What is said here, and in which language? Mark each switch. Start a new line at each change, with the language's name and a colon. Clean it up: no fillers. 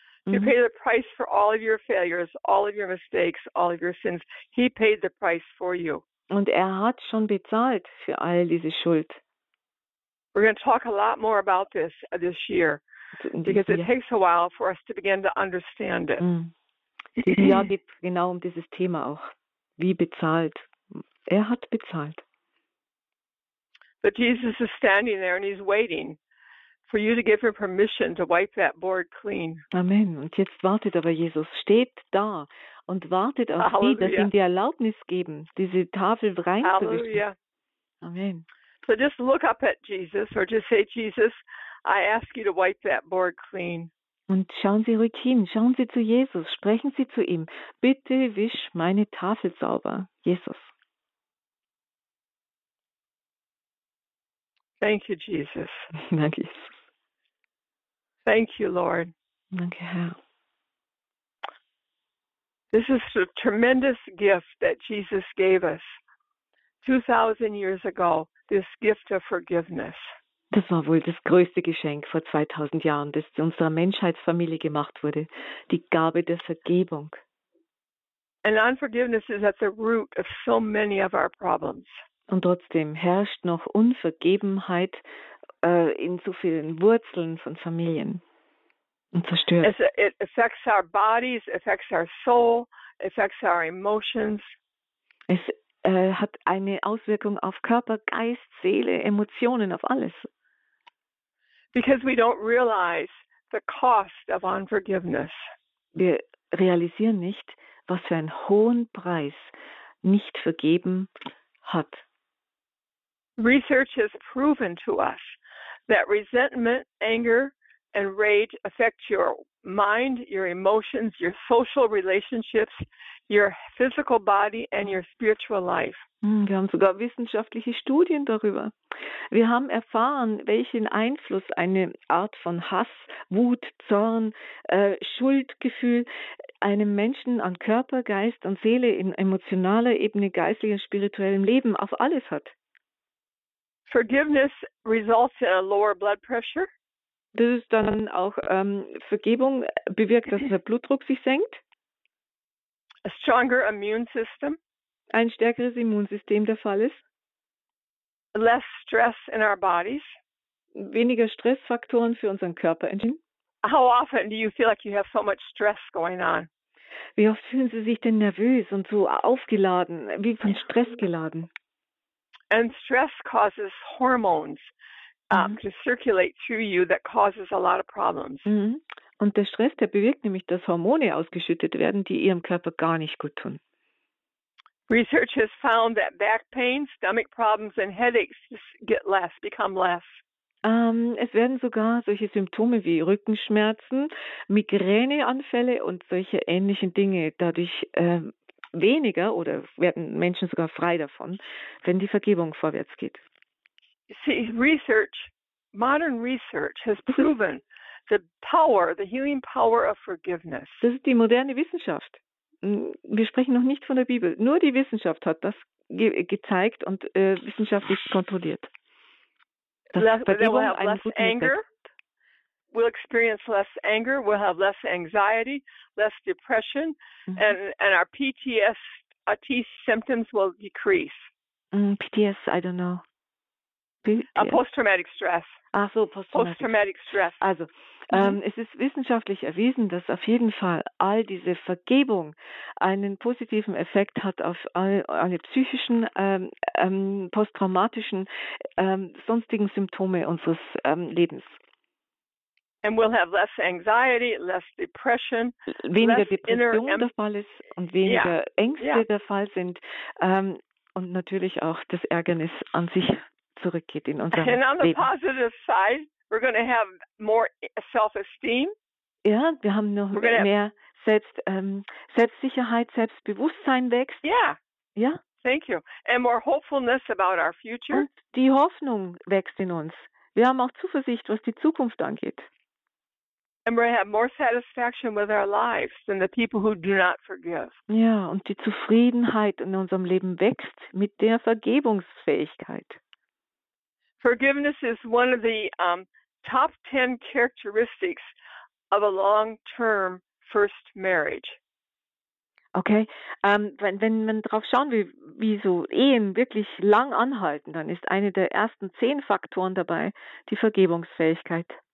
English: To pay the price for all of your failures, all of your mistakes, all of your sins. He paid the price for you.
German: Und hat schon bezahlt für all diese Schuld.
English: We're going to talk a lot more about this this year. Because it takes a while for us to begin to understand it.
German: Ja, geht genau dieses Thema auch. Wie bezahlt. Hat bezahlt.
English: But Jesus is standing there and he's waiting for you to give him permission to wipe that board clean. Amen.
German: Und jetzt wartet aber Jesus, steht da und wartet auf Sie, dass Sie ihm die Erlaubnis geben, diese Tafel reinzuwischen. Amen.
English: So just look up at Jesus or just say, Jesus, I ask you to wipe that board clean.
German: Und schauen Sie ruhig hin, schauen Sie zu Jesus, sprechen Sie zu ihm. Bitte wisch meine Tafel sauber, Jesus.
English: Thank you, Jesus.
German: Danke, Jesus.
English: Thank you, Lord.
German: Danke, Herr.
English: This is a tremendous gift that Jesus gave us 2000 years ago, this gift of forgiveness.
German: Das war wohl das größte Geschenk vor 2000 Jahren, das zu unserer Menschheitsfamilie gemacht wurde, die Gabe der Vergebung.
English: And unforgiveness is at the root of so many of our problems.
German: Und trotzdem herrscht noch Unvergebenheit in so vielen Wurzeln von Familien und zerstört.
English: It affects our bodies, affects our soul, affects our emotions.
German: Es hat eine Auswirkung auf Körper, Geist, Seele, Emotionen, auf alles.
English: Because we don't realize the cost of unforgiveness.
German: Wir realisieren nicht, was für einen hohen Preis nicht vergeben hat.
English: Research has proven to us that resentment, anger and rage affect your mind, your emotions, your social relationships, your physical body and your spiritual life.
German: Wir haben sogar wissenschaftliche Studien darüber. Wir haben erfahren, welchen Einfluss eine Art von Hass, Wut, Zorn, Schuldgefühl einem Menschen an Körper, Geist und Seele in emotionaler Ebene, geistlichem, spirituellem Leben auf alles hat.
English: Forgiveness results in a lower blood pressure.
German: Das ist dann auch Vergebung bewirkt, dass der Blutdruck sich senkt.
English: A stronger immune system.
German: Ein stärkeres Immunsystem der Fall ist.
English: Less stress in our bodies.
German: Weniger Stressfaktoren für unseren Körper entstehen.
English: How often do you feel like you have so much stress going on?
German: Wie oft fühlen Sie sich denn nervös und so aufgeladen, wie von Stress geladen?
English: And stress causes hormones to circulate through you that causes a lot of problems.
German: Und der Stress, der bewirkt nämlich, dass Hormone ausgeschüttet werden, die Ihrem Körper gar nicht gut tun.
English: Research has found that back pain, stomach problems and headaches just get less, become less.
German: Es werden sogar solche Symptome wie Rückenschmerzen, Migräneanfälle und solche ähnlichen Dinge dadurch weniger oder werden Menschen sogar frei davon, wenn die Vergebung vorwärts geht.
English: See, research, modern research has proven the power, the healing power of forgiveness.
German: Das ist die moderne Wissenschaft. Wir sprechen noch nicht von der Bibel. Nur die Wissenschaft hat das gezeigt und wissenschaftlich kontrolliert.
English: Less, then we'll have less anger. Effect. We'll experience less anger. We'll have less anxiety, less depression, and our PTSD symptoms will decrease. PTS, I don't know. Post-traumatic stress.
German: Ach so,
English: post-traumatic stress.
German: Also, es ist wissenschaftlich erwiesen, dass auf jeden Fall all diese Vergebung einen positiven Effekt hat auf alle psychischen, posttraumatischen, sonstigen Symptome unseres Lebens.
English: And we'll have less anxiety, less depression,
German: weniger
English: less
German: Depression
English: inner
German: der Fall ist und weniger Ängste der Fall sind und natürlich auch das Ärgernis an sich zurückgeht in unser Leben.
English: And on the positive side, we're going to have more self-esteem.
German: Ja, wir haben noch mehr Selbstsicherheit, Selbstbewusstsein wächst.
English: Yeah.
German: Ja.
English: Thank you. And more hopefulness about our future.
German: Und die Hoffnung wächst in uns. Wir haben auch Zuversicht, was die Zukunft angeht.
English: And we have more satisfaction with our lives than the people who do not forgive.
German: Ja, und die Zufriedenheit in unserem Leben wächst mit der Vergebungsfähigkeit.
English: Forgiveness is one of the top 10 characteristics of a long-term first marriage.
German: Okay, wenn man drauf schauen will, wie so Ehen wirklich lang anhalten, dann ist eine der ersten 10 Faktoren dabei die Vergebungsfähigkeit.